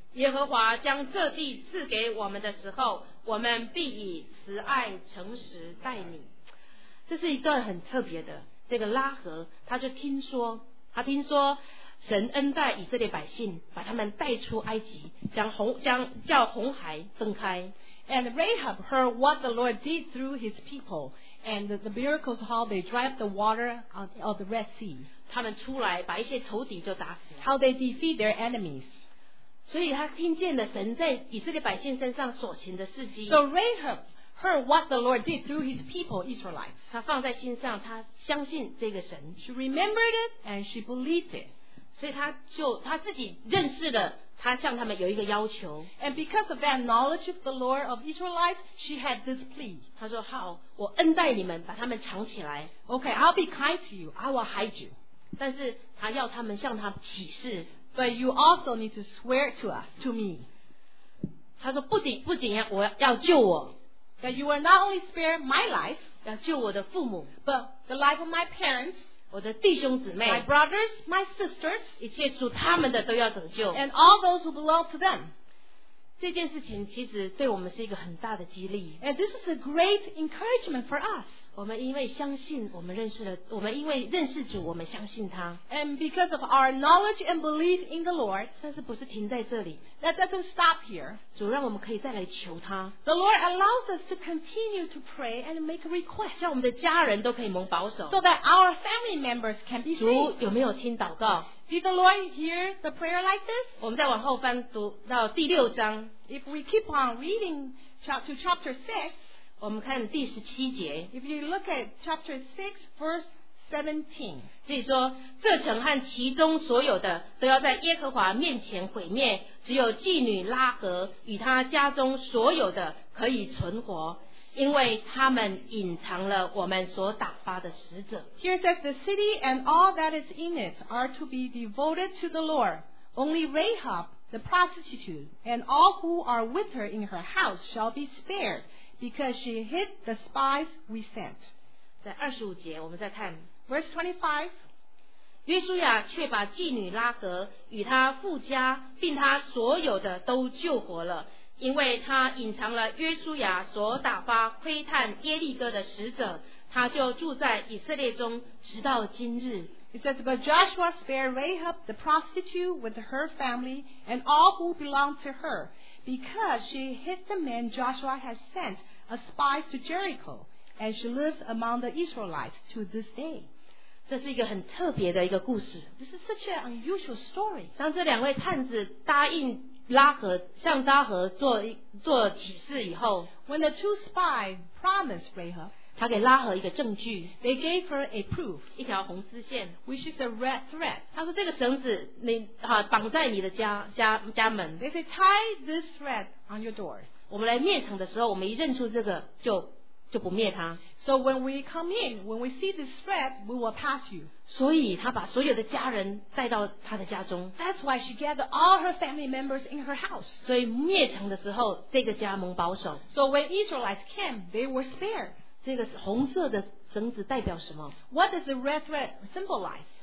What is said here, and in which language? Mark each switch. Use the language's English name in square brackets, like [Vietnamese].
[Chinese] 耶和华将这地赐给我们的时候，我们必以慈爱诚实待你。这是一段很特别的，这个拉合他就听说，他听说神恩待以色列百姓，把他们带出埃及，叫红海分开。 [English] And Rahab heard what the Lord did through his people and the miracles of how they drive the water of the Red Sea. [Chinese] 他们出来把一些仇敌就打死了。 [English] How they defeat their enemies. [Chinese] 所以他听见了神在以色列百姓身上所行的事迹。 [English] So Rahab heard what the Lord did through his people, Israelites. [Chinese] 他放在心上，他相信这个神。 [English] She remembered it and she believed it. [Chinese] 所以他自己认识了他向他们有一个要求。 [English] And because of that knowledge of the Lord of Israelites, she had this plea. [Chinese] 他说好，我恩待你们，把他们藏起来。 [English] Okay, I'll be kind to you. I will hide you. [Chinese] 但是他要他们向他起誓。 [English] But you also need to swear to us, to me. [Chinese] 他说不仅我要救我。 [English] That you will not only spare my life, [Chinese] 要救我的父母。 [English] But the life of my parents, [Chinese] 我的弟兄姊妹 [English] my brothers, my sisters, [Chinese] 一切属他们的都要得救 [English] and all those who belong to them. [Chinese] 这件事情其实对我们是一个很大的激励 [English] and this is a great encouragement for us. [Chinese] 我们因为相信我们因为认识主我们相信他 [English] and because of our knowledge and belief in the Lord, [Chinese] 但是不是停在这里 [English] that doesn't stop here. [Chinese] 主让我们可以再来求他 [English] the Lord allows us to continue to pray and make a request, [Chinese] 叫我们的家人都可以蒙保守 [English] so that our family members can be saved. [Chinese] 主有没有听祷告 [English] Did the Lord hear the prayer like this? [Chinese] 我们再往后翻读到第六章 [English] If we keep on reading to chapter 6, [Chinese] 我们看第十七节 [English] If you look at chapter 6 verse 17 [Chinese] 这里说这城和其中所有的都要在耶和华面前毁灭只有妓女拉合与她家中所有的可以存活因为他们隐藏了我们所打发的使者 [English] Here says the city and all that is in it are to be devoted to the Lord only Rahab the prostitute and all who are with her in her house shall be spared Because she hid the spies we sent. [Chinese] 在二十五节，我们再看。 [English] Verse 25. [Chinese] 约书亚却把妓女拉合与他富家并他所有的都救活了，因为他隐藏了约书亚所打发窥探耶利哥的使者，他就住在以色列中直到今日。 [English] It says, but Joshua spared Rahab the prostitute with her family and all who belonged to her, because she hid the men Joshua had sent as spies to Jericho, and she lives among the Israelites to this day. [Chinese] 这是一个很特别的一个故事。 [English] This is such an unusual story. [Chinese] 当这两位探子答应拉合向拉合做启示以后， [English] when the two spies promised Rahab, [Chinese] 他给拉合一个证据， [English] They gave her a proof, [Chinese] 一条红丝线， [English] which is a red thread. [Chinese] 他说这个绳子你、绑在你的 家门， [English] They say tie this thread on your door. [Chinese] 我们来灭城的时候，我们一认出这个 就不灭它。 [English] So when we come in, when we see this thread, we will pass you. [Chinese] 所以他把所有的家人带到他的家中， [English] That's why she gathered all her family members in her house. [Chinese] 所以灭城的时候这个家蒙保守。 [English] So when Israelites came, they were spared. [Chinese] 这个红色的绳子代表什么？ [English] What does the red thread symbolize?